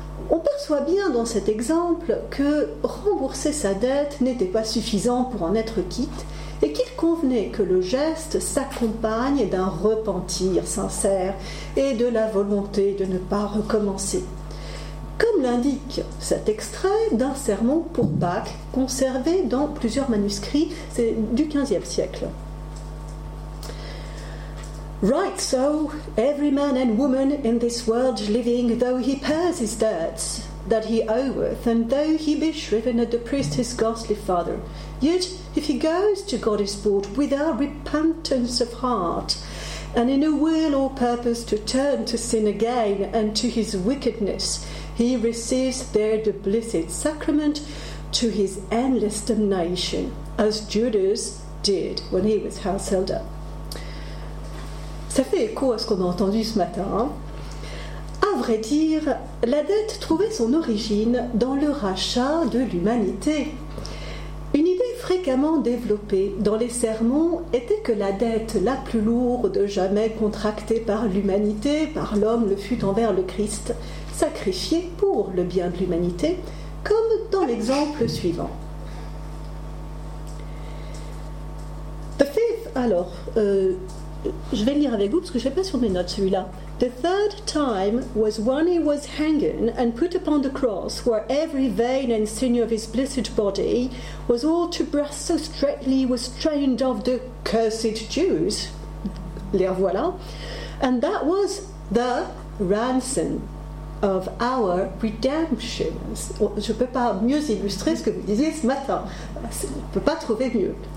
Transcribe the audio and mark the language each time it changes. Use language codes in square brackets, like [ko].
[fr] On perçoit bien dans cet exemple que rembourser sa dette n'était pas suffisant pour en être quitte et qu'il convenait que le geste s'accompagne d'un repentir sincère et de la volonté de ne pas recommencer. Comme l'indique cet extrait d'un sermon pour Pâques conservé dans plusieurs manuscrits, c'est du XVe siècle. [en] Right so, every man and woman in this world living, though he pays his debts that he oweth, and though he be shriven at the priest his ghostly father, yet if he goes to God his board without repentance of heart, and in a will or purpose to turn to sin again and to his wickedness, he receives there the blessed sacrament to his endless damnation, as Judas did when he was household up. [fr] Ça fait écho à ce qu'on a entendu ce matin. À vrai dire, la dette trouvait son origine dans le rachat de l'humanité. Une idée fréquemment développée dans les sermons était que la dette la plus lourde jamais contractée par l'humanité, par l'homme, le fut envers le Christ, sacrifiée pour le bien de l'humanité, comme dans l'exemple suivant. [en] The fifth, [fr] alors... Je vais lire avec vous parce que je n'ai pas sur mes notes celui-là. [en] The third time was when he was hanging and put upon the cross, where every vein and sinew of his blessed body was all to brass so straightly was strained of the cursed Jews. [fr] Les revoilà. [en] And that was the ransom of our redemption. [fr] Je ne peux pas mieux illustrer ce que vous disiez ce matin. Je ne peux pas trouver mieux.